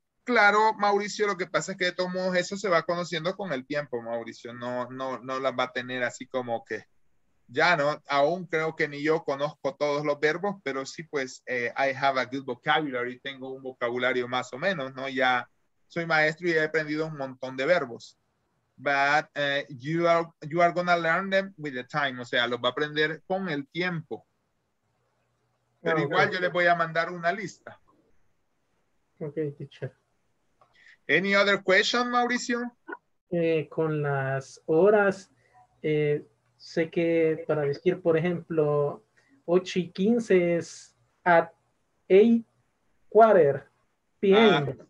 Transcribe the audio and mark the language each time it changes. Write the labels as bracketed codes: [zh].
[es] Claro, Mauricio, lo que pasa es que de todos modos eso se va conociendo con el tiempo, Mauricio. No la va a tener así como que ya no, aún creo que ni yo conozco todos los verbos, pero sí pues [en] I have a good vocabulary, [es] tengo un vocabulario más o menos, ¿no? Ya soy maestro y he aprendido un montón de verbos. [en] But you are gonna learn them with the time. [es] O sea, los va a aprender con el tiempo. Pero okay, igual yo les voy a mandar una lista. [en] Ok, teacher. Any other question, Mauricio? [es] Con las horas, sé que para decir, por ejemplo, 8:15 es [en] at 8:15 p.m.